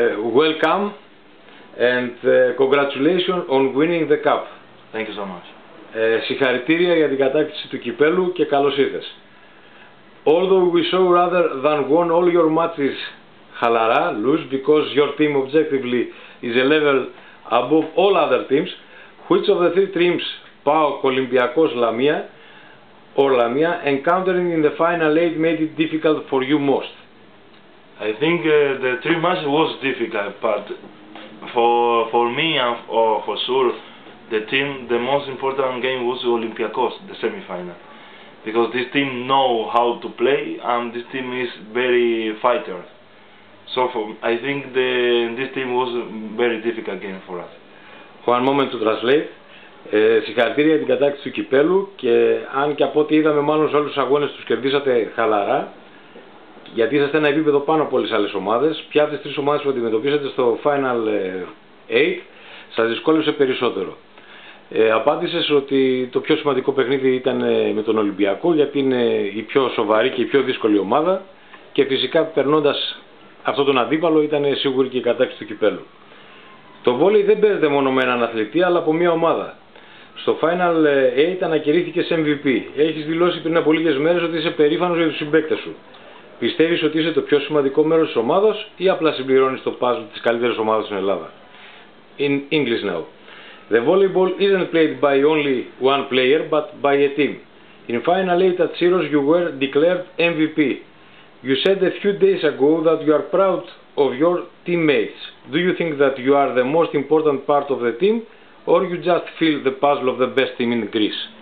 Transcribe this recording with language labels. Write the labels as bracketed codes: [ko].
[en] Welcome and congratulations on winning the cup. Thank you so much. [el] Συγχαρητήρια για την κατάκτηση του κυπέλου και καλώς ήρθες. [en] Although we saw rather than won all your matches [el] χαλαρά, [en] lose, because your team objectively is a level above all other teams, which of the three teams, PAOK, Olympiakos, Lamia, or Lamia, encountering in the final eight made it difficult for you most? I think the three matches was difficult, but for me, for sure, the most important game was Olympiakos, the semi-final. Because this team know how to play, and this team is very fighter. So I think this team was a very difficult game for us. One moment to translate. [el] Συγχαρητήρια για την κατάκτηση του κυπέλου και αν και από ό,τι είδαμε μάλλον σε όλους τους αγώνες τους κερδίσατε χαλαρά, γιατί είσαστε ένα επίπεδο πάνω από όλες άλλες ομάδες. Ποια από τις τρεις ομάδες που αντιμετωπίσατε στο Final 8 σας δυσκόλεψε περισσότερο? Απάντησες ότι το πιο σημαντικό παιχνίδι ήταν με τον Ολυμπιακό, γιατί είναι η πιο σοβαρή και η πιο δύσκολη ομάδα και φυσικά περνώντας αυτόν τον αντίπαλο ήταν σίγουρη και η κατάκτηση του κυπέλου. Το βόλεϊ δεν παίζεται μόνο με έναν αθλητή, αλλά από μια ομάδα. Στο Final 8 ανακηρύχθηκες MVP. Έχεις δηλώσει πριν από λίγες μέρες ότι είσαι περήφανος για τους συμπαίκτες σου. Πιστεύεις ότι είσαι το πιο σημαντικό μέρος της ομάδας ή απλά συμπληρώνεις το puzzle της καλύτερης ομάδας στην Ελλάδα? [en] In English now. The volleyball isn't played by only one player, but by a team. In Final 8 at Syros, you were declared MVP. You said a few days ago that you are proud of your teammates. Do you think that you are the most important part of the team, or you just feel the puzzle of the best team in Greece?